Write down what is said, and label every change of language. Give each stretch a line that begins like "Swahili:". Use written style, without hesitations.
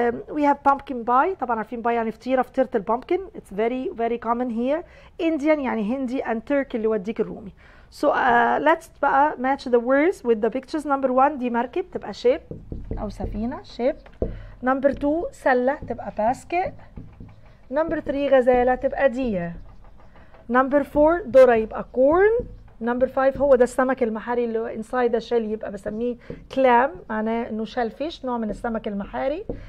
English: We have pumpkin pie،
Arabic: طبعا عارفين باي يعني فطيرة، فطيرة البامبكن.
English: It's very very common here. Indian
Arabic: يعني هندي،
English: and turkey
Arabic: اللي وديك الرومي.
English: So let's match the words with the pictures. Number one,
Arabic: دي مركب تبقى ship أو سفينة ship.
English: Number two,
Arabic: سلة تبقى
English: basket. Number three,
Arabic: غزالة تبقى
English: deer. Number four,
Arabic: دورة يبقى corn.
English: Number five,
Arabic: هو ده السمك المحاري اللي هو
English: inside the shell،
Arabic: يبقى بسميه clam، معناه إنه
English: shell fish،
Arabic: نوع من السمك المحاري.